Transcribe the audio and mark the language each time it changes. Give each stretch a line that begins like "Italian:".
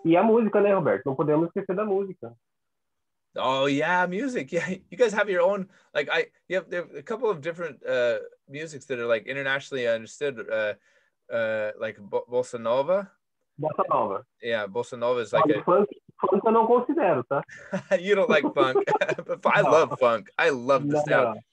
Portuguese: E a música, né, Roberto? Não podemos esquecer da música.
English: Oh yeah, music. Yeah, you guys have your own. Like you have a couple of different musics that are like internationally understood. Like bossa nova. Bossa nova. Yeah, bossa nova is like.
Portuguese: Funk, eu não considero, tá?
English: You don't like funk, but I love funk. I love the sound.